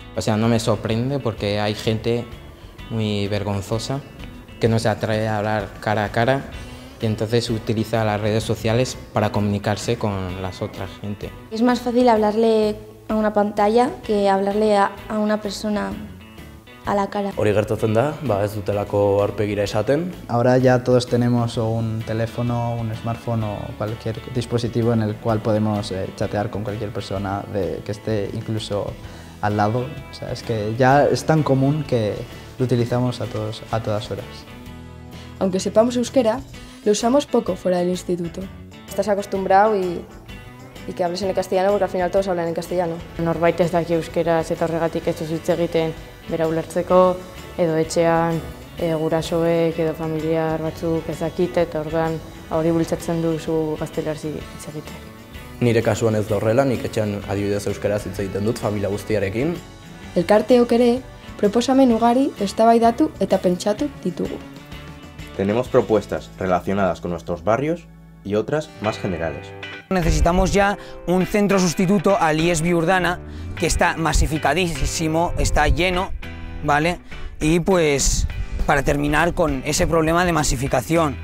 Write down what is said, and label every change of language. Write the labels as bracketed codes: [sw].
[es] O sea, no me sorprende porque hay gente muy vergonzosa que no se atreve a hablar cara a cara y entonces utiliza las redes sociales para comunicarse con las otras gente. Es más fácil hablarle a una pantalla que hablarle a una persona a la cara. [eu] Hori gertatzen da, ez dutelako aurpegira esaten. [es] Ahora ya todos tenemos un teléfono, un smartphone o cualquier dispositivo en el cual podemos chatear con cualquier persona que esté incluso al lado. O sea, es que ya es tan común que lo utilizamos a todas horas. Aunque sepamos euskera, lo usamos poco fuera del instituto. Estás acostumbrado y que hables en castellano, porque al final todos hablan en castellano. [eu] Norbait ez daki euskera, eta horregatik ez dut hitz egiten, bera ulertzeko, edo etxean, gurasoek, edo familiar batzuk ez dakite, eta orduan hori bultzatzen duzu gaztelerazi hitz egiten. Nire kasuan ez da horrela, nik etxean adibidez euskera hitz egiten dut, familia guztiarekin. Elkarteok ere, proposamen ugari eztabaidatu eta pentsatu ditugu. [es] Tenemos propuestas relacionadas con nuestros barrios y otras más generales. Necesitamos ya un centro sustituto al IES Biurdana, que está masificadísimo, está lleno, ¿vale? Y pues para terminar con ese problema de masificación.